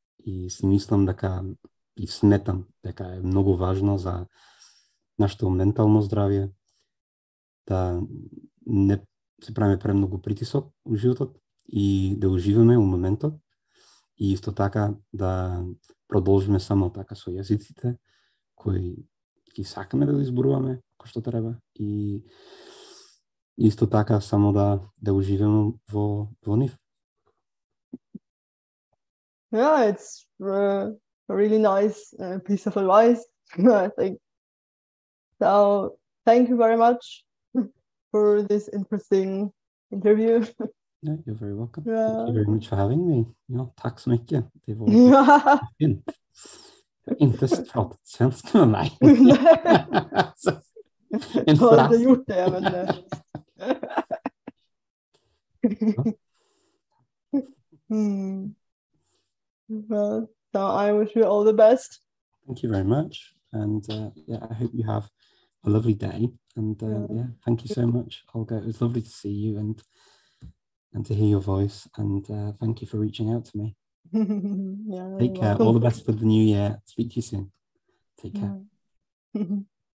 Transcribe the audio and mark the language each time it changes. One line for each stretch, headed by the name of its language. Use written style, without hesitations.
Macedonian: И си мислам дека, и сметам дека е многу важно за нашето ментално здравје, да не се правиме премногу притисок во животот и да уживаме во моментот и исто така да продолжиме само така со јазиците кои ги сакаме да ги зборуваме кој што треба и исто така само да уживаме во нив.
English: Yeah, it's a really nice piece of advice, I think. So, thank you very much for this interesting interview. Yeah, you're very welcome. Yeah. Thank you very much for having me.
Swedish: Ja, tack så mycket. Det var fint. Jag har inte pratat svenska med mig. Jag har inte gjort det, men...
English: Well, so I wish you all the best. Thank you very much. And yeah, I hope you have a lovely day. And yeah, thank you so much, Olga. It was lovely to see you and to hear your voice. And thank you for reaching out to me. Yeah, take care. Welcome. All the best for the new year. Speak to you soon. Take care.